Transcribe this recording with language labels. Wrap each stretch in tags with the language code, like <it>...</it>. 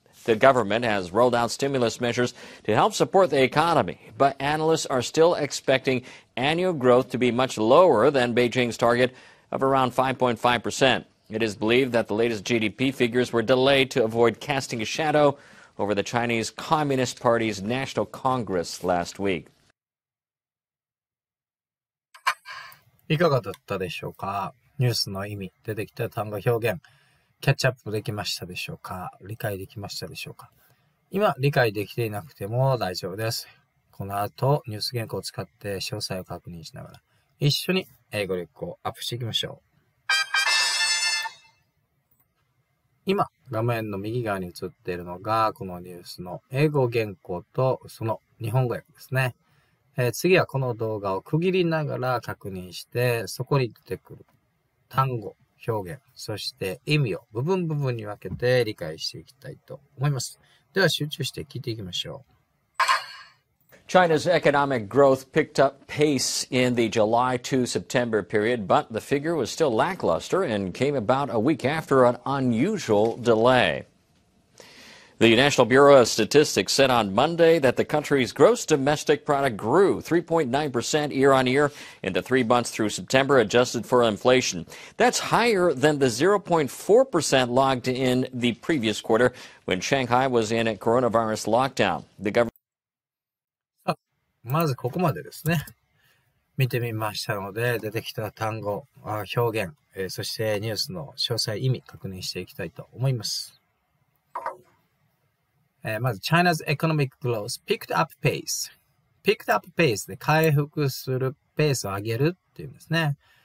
<en>The government has rolled out stimulus measures to help support the economy, but analysts are still expecting annual growth to be much lower than Beijing's target of around 5.5%. It is believed that the latest GDP figures were delayed to avoid casting a shadow over the Chinese Communist Party's National Congress last week.</en> <ja>いかがだったでしょうか。ニュースの意味、出てきた単語表現、キャッチアップできましたでしょうか。理解できましたでしょうか。今理解できていなくても大丈夫です。この後ニュース原稿を使って詳細を確認しながら一緒に英語力をアップしていきましょう。今画面の右側に映っているのがこのニュースの英語原稿とその日本語訳ですね。次はこの動画を区切りながら確認して、そこに出てくる単語表現、そして意味を部分部分に分けて理解していきたいと思います。では集中して聞いていきましょう。</ja> <en>China's economic growth picked up pace in the July to September period, but the figure was still lackluster and came about a week after an unusual delay. The National Bureau of Statistics said on Monday that the country's gross domestic product grew 3.9% year on year in the 3 months through September, adjusted for inflation. That's higher than the 0.4% logged in the previous quarter, when Shanghai was in a coronavirus lockdown. The government.</en> <ja>まずここまでですね。見てみましたので、出てきた単語、表現、そしてニュースの詳細意味確認していきたいと思います。まず</ja> <en>China's economic growth picked up pace. Picked up pace</en> <ja>で回復するペースを上げるっていうんですね。</ja>